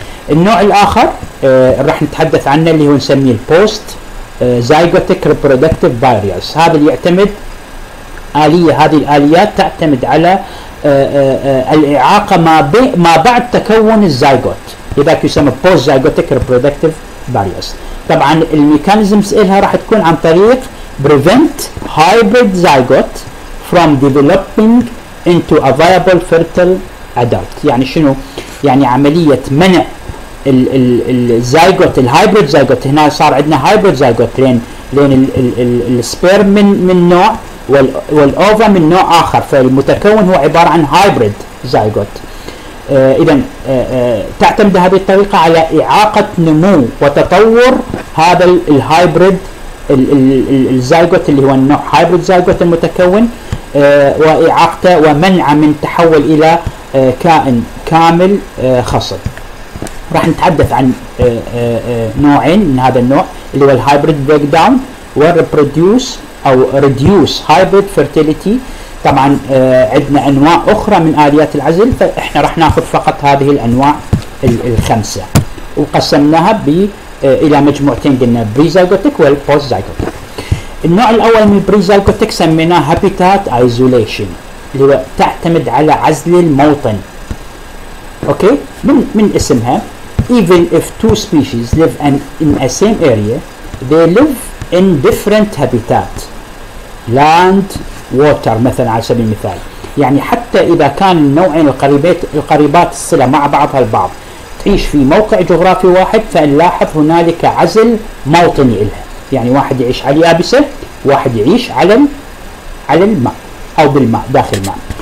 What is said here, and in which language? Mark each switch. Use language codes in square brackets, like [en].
[ar] النوع الآخر رح نتحدث عنه اللي هو نسميه post زيغوتيك ريبرودكتيف باريرز، هذا اللي يعتمد آلية، هذه الآليات تعتمد على الإعاقة ما بعد تكون الزيغوت، لذلك يسمى بوست زيغوتيك ريبرودكتيف باريرز. طبعا الميكانيزمز إلها راح تكون عن طريق [en] prevent hybrid zygote from developing into a viable fertile adult. [ar] يعني شنو؟ يعني عملية منع الزايغوت، الهايبريد زايغوت، هنا صار عندنا هايبريد زايغوت لين السبيرم من نوع والأوفا من نوع آخر، فالمتكون هو عبارة عن هايبريد زايغوت. إذا تعتمد هذه الطريقة على إعاقة نمو وتطور هذا الهايبريد الزايغوت، اللي هو النوع هايبريد زايغوت المتكون، وإعاقته ومنعه من تحول إلى كائن كامل خصب. راح نتحدث عن نوعين من هذا النوع، اللي هو الهايبريد بريك داون والريبروديوس او ريديوس هايبريد فيرتيليتي. طبعا عندنا انواع اخرى من آليات العزل، فاحنا راح ناخذ فقط هذه الانواع الخمسه، وقسمناها الى مجموعتين، قلنا بريزايجوتيك والبوست زايجوتيك. النوع الاول من البريزايجوتيك سميناه هابيتات ايزوليشن، اللي هو تعتمد على عزل الموطن. اوكي، من اسمها، [en] even if two species live in a same area they live in different habitat land water. [ar] مثلا على سبيل المثال، يعني حتى اذا كان النوعين القريبات الصلة مع بعضها البعض تعيش في موقع جغرافي واحد، فنلاحظ هنالك عزل موطني لها، يعني واحد يعيش على اليابسة، واحد يعيش على الماء او بالماء داخل الماء.